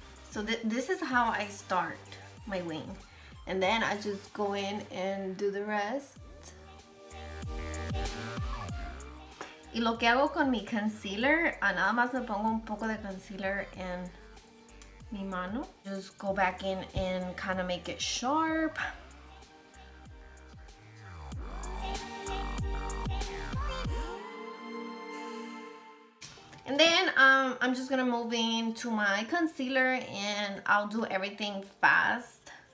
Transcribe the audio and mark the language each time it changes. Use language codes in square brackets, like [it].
[en] So this is how I start my wing, and then I just go in and do the rest. [es] Y lo que hago con mi concealer, nada más me pongo un poco de concealer en mi mano. [en] Just go back in and kind of make it sharp. And then I'm just gonna move in to my concealer and I'll do everything fast.